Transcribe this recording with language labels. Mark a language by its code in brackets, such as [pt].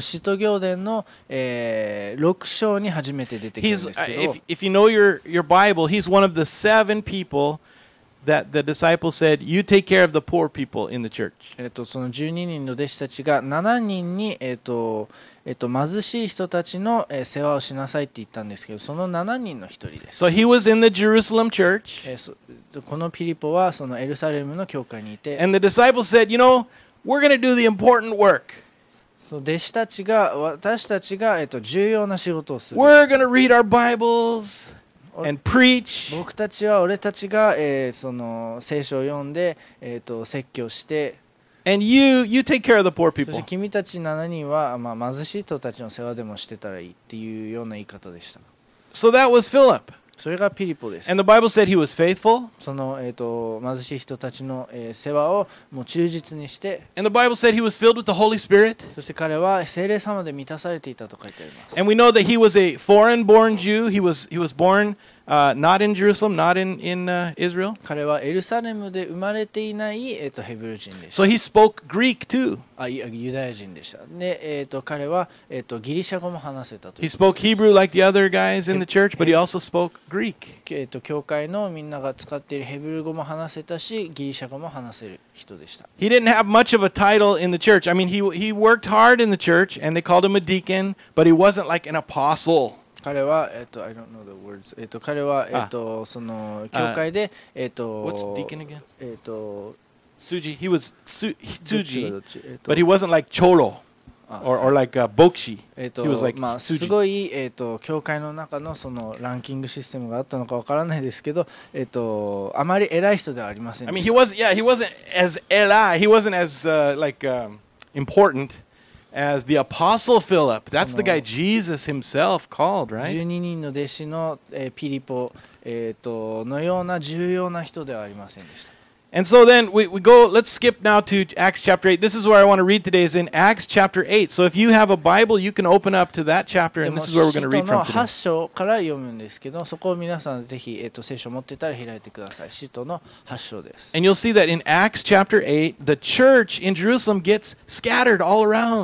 [ja] 使徒行伝の、6章に初めて出てくるんですけど、 [en] if you know your Bible, he's one of the seven people that the disciples said, you take care of the poor people in the church. [ja] その12人の弟子たちが7人に、貧しい人たちの、世話をしなさいって言ったんですけど、その7人の一人です。 [en] So he was in the Jerusalem church. [ja] このピリポはそのエルサレムの教会にいて、 [en] And the disciples said, you know, we're going to do the important work. [ja] 弟子たちが、私たちが、重要な仕事をする。 [en] We're going to read our Bibles and preach. [ja] 僕たちは、俺たちが、その聖書を読んで、説教して、 [en] And you take care of the poor people. [ja] そして君たち7人は、まあ、貧しい人たちの世話でもしてたらいいっていうような言い方でした。 [en] So that was Philip. [ja] それがピリポです。 [en] And the Bible said he was faithful. [ja] その、貧しい人たちの、世話をもう忠実にして。 [en] And the Bible said he was filled with the Holy Spirit. [ja] そして彼は聖霊様で満たされていたと書いてあります。 [en] And we know that he was a foreign-born Jew. He was born not in Jerusalem, not in Israel. [ja] 彼はエルサレムで生まれていない、ヘブル人でした。 [en] So he spoke Greek too. [ja] ユダヤ人でした。で、彼は、ギリシャ語も話せたと。 [en] He spoke Hebrew like the other guys in the church, but he also spoke Greek. [ja] 教会のみんなが使っているヘブル語も話せたし、ギリシャ語も話せる人でした。 [en] He didn't have much of a title in the church. I mean, he worked hard in the church, and they called him a deacon, but he wasn't like an apostle. [ja] 彼は、 [en] I don't know the words. [ja] 彼は、その教会で、 [en] What's deacon again? Suji. He was Suji, but he wasn't like Cholo or like Bokshi. He was like Suji. [ja] すごい、教会の中のそのランキングシステムがあったのかわからないですけど、あまり偉い人ではありませんで [en] した。I mean, he wasn't as important. As the Apostle Philip, that's the guy Jesus himself called, right? [ja] 12人の弟子の、ピリポ、のような重要な人ではありませんでした。 [en] And so then we go, let's skip now to Acts chapter 8. This is where I want to read today, is in Acts chapter 8. So if you have a Bible, you can open up to that chapter, and this is where we're going to read from today. [ja] 使徒の8章から読むんですけど、そこを皆さんぜひ、聖書を持っていたら開いてください。使徒の8章です。 [en] And you'll see that in Acts chapter 8, the church in Jerusalem gets scattered all around.